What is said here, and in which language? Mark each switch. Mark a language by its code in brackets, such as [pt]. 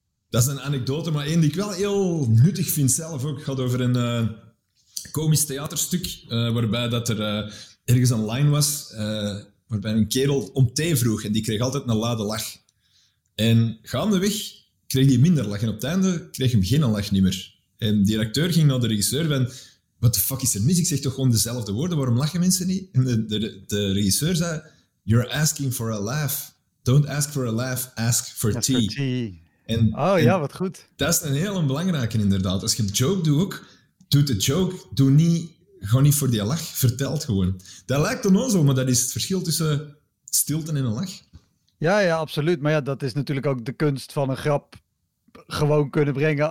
[nl] Dat is een anekdote, maar één die ik wel heel nuttig vind zelf ook. Het gaat over een komisch theaterstuk, waarbij dat er ergens een line was, waarbij een kerel om thee vroeg. En die kreeg altijd een luide lach. En gaandeweg kreeg hij minder lach. En op het einde kreeg hem geen lach niet meer. En de directeur ging naar de regisseur en... [en] What the fuck [nl] is er mis? Ik zeg toch gewoon dezelfde woorden. Waarom lachen mensen niet? En de regisseur zei... [en] You're asking for a laugh. Don't ask for a laugh, ask for tea. For tea. [nl] En wat goed. Dat is een heel belangrijke inderdaad. Als je een joke doet de joke. Doe niet, ga niet voor die lach. Vertel het gewoon. Dat lijkt onnozel, maar dat is het verschil tussen stilte en een lach. Ja, absoluut. Maar ja, dat is natuurlijk ook de kunst van een grap gewoon kunnen brengen.